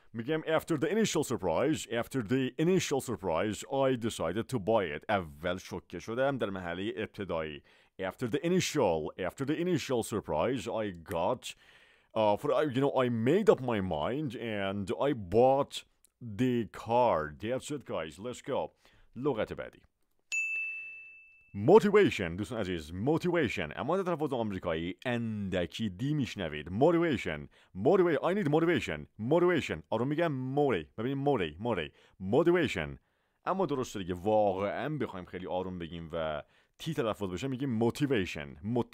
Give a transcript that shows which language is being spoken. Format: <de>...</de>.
<fa>میگم</fa> <en>after the initial surprise I decided to buy it.</en> <fa>اول شوکه شدم در مرحله ابتدایی.</fa> <en>After the initial surprise I got I made up my mind and I bought the car. That's it guys, let's go.</en> <fa>لغت بعدی</fa> <en>motivation.</en> <fa>دوستان عزیز motivation، اما در تلفظ آمریکایی اندکی دی میشنوید.</fa> <en>motivation. I need motivation. motivation.</en> <fa>آروم میگم</fa> <en>موری.</en> <fa>ببینیم</fa> <en>موری. موری. motivation.</en> <fa>اما درسته دیگه، واقعا بخوایم خیلی آروم بگیم و تی تلفظ بشه میگیم motivation.</fa>